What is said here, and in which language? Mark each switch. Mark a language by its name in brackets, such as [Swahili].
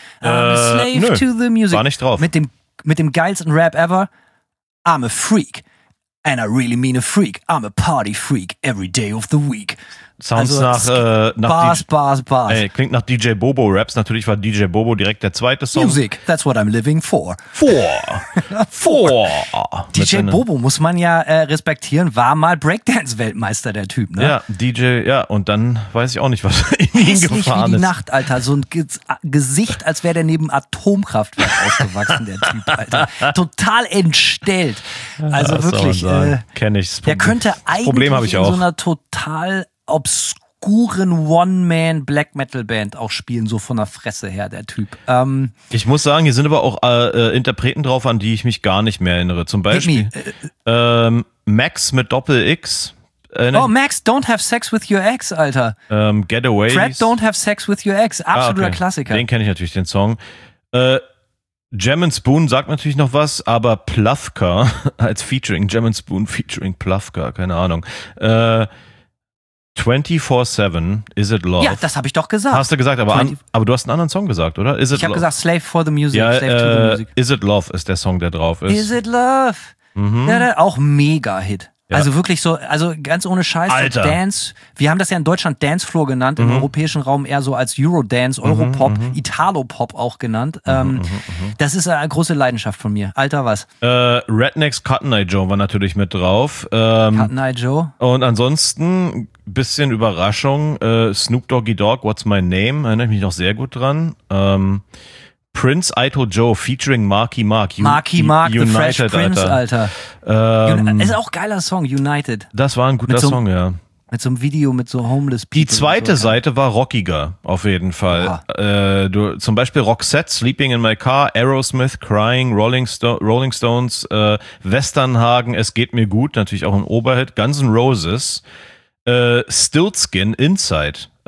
[German] Slave to the Music. War nicht drauf. Mit dem geilsten Rap ever. [English] I'm a freak. And I really mean a freak. I'm a party freak every day of the week. [German] Sounds also, nach [English] Bars, Bars, Bars. [German] Ey, klingt nach DJ Bobo Raps. Natürlich war DJ Bobo direkt der zweite Song. [English] Music, that's what I'm living for. Four. [German] DJ Bobo, muss man ja respektieren, war mal Breakdance-Weltmeister, der Typ, ne? Ja, DJ, ja, und dann weiß ich auch nicht, was in ihn gefahren ist. Wie die Nacht, Alter. So ein Gesicht, als wäre der neben Atomkraftwerk aufgewachsen, der Typ, Alter. Total entstellt. Also ja, wirklich. Kenn ich. Der könnte eigentlich in so einer total obskuren One-Man-Black-Metal-Band auch spielen, so von der Fresse her, der Typ. Ich muss sagen, hier sind aber auch Interpreten drauf, an die ich mich gar nicht mehr erinnere. Zum Beispiel Max mit Doppel-X. [English] Oh, Max, don't have sex with your ex, Alter. Getaways. Fred, don't have sex with your ex. [German] Absoluter Klassiker. Den kenne ich natürlich, den Song. Jam & Spoon sagt natürlich noch was, aber Plafka als Featuring, Jam & Spoon featuring Plafka, keine Ahnung. [English] 24-7, Is It Love? [German] Ja, das habe ich doch gesagt. Hast du gesagt, aber du hast einen anderen Song gesagt, oder? [English] Is It Love? [German] Ich habe gesagt, Slave for the Music. Ja, [English] Slave to the Music. [German] Is It Love ist der Song, der drauf ist. [English] Is It Love? Mhm. [German] Ja, auch Mega-Hit. Ja. Also wirklich so, also ganz ohne Scheiß, Alter. Dance, wir haben das ja in Deutschland Dancefloor genannt, im europäischen Raum eher so als Eurodance, Europop, Italopop auch genannt. Das ist eine große Leidenschaft von mir. Alter, was? Rednecks Cotton Eye Joe war natürlich mit drauf. [English] Cotton Eye Joe. [German] Und ansonsten, bisschen Überraschung, Snoop Doggy Dogg, What's My Name, erinnere ich mich noch sehr gut dran. [English] Prince Ito Joe featuring Marky Mark. Marky Mark, United, the Fresh Prince, Alter. [German] Ist auch geiler Song, United. Das war ein guter Song, ja. Mit so einem Video, mit so Homeless People. Die zweite Seite war rockiger, auf jeden Fall. Zum Beispiel Roxette, Sleeping in My Car, Aerosmith, Crying, Rolling Stones, Westernhagen, Es geht mir gut, natürlich auch ein Oberhit, Guns N' Roses, Stiltskin, Inside.